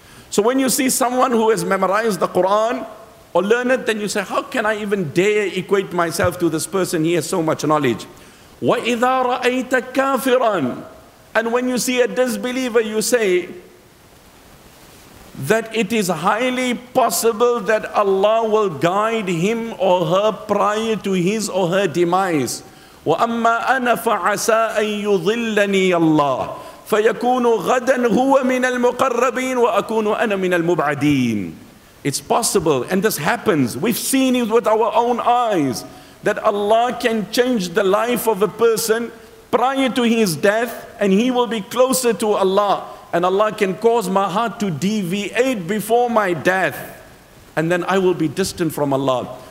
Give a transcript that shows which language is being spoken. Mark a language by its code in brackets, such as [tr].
[en] So when you see someone who has memorized the Quran or learned it, then you say, how can I even dare equate myself to this person? He has so much knowledge. [ar] وَإِذَا رَأَيْتَ كَافِرًا [en] And when you see a disbeliever, you say that it is highly possible that Allah will guide him or her prior to his or her demise. [ar] وَأَمَّا أَنَا فَعَسَىٰ أَن يُضِلَّنِي اللَّهِ فَيَكُونُ غَدًا هُوَ مِنَ الْمُقَرَّبِينَ وَأَكُونُ أَنَا مِنَ الْمُبْعَدِينَ [en] It's possible, and this happens. We've seen it with our own eyes, that Allah can change the life of a person prior to his death, and he will be closer to Allah. And Allah can cause my heart to deviate before my death, and then I will be distant from Allah.